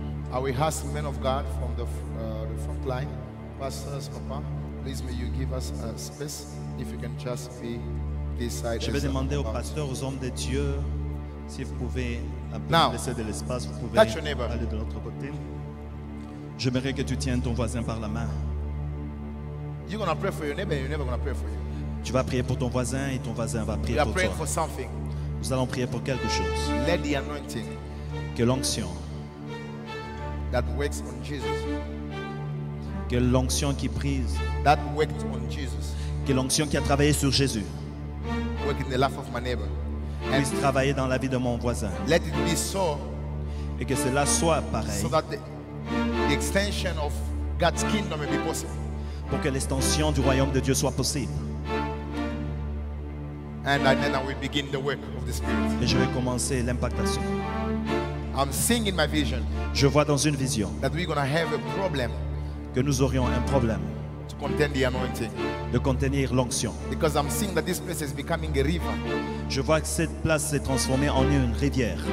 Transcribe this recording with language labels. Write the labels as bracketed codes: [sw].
[en] I will ask men of God from the front line, pastors, papa, please may you give us a space if you can just be this side. [fr] Je vais demander aux pasteurs, aux hommes de Dieu, si vous pouvez un peu laisser de l'espace, vous pouvez aller de l'autre côté. J'aimerais que tu tiennes ton voisin par la main. [en] You're gonna pray for your neighbor, your neighbor gonna pray for you. [fr] Tu vas prier pour ton voisin et ton voisin va prier pour toi. [en] We are praying for something. [fr] Nous allons prier pour quelque chose. [en] Let the anointing. [fr] Que l'onction. [en] That works on Jesus. [fr] Que l'onction qui prise. [en] That worked on Jesus. [fr] Que l'onction qui a travaillé sur Jésus. [en] Work in the life of my neighbor. [fr] And puisse travailler dans la vie de mon voisin. [en] Let it be so. [fr] Et que cela soit pareil. [en] So that the extension of God's kingdom may be possible. [fr] Pour que l'extension du royaume de Dieu soit possible. [en] And then I will begin the work of the Spirit. [fr] Et je vais commencer l'impactation. [en] I'm seeing in my vision. [fr] Je vois dans une vision [en] that we're gonna have a problem [fr] que nous aurions un problème [en] to contain the anointing. [fr] De contenir l'onction. [en] Because I'm seeing that this place is becoming a river. [fr] Je vois que cette place s'est transformée en une rivière.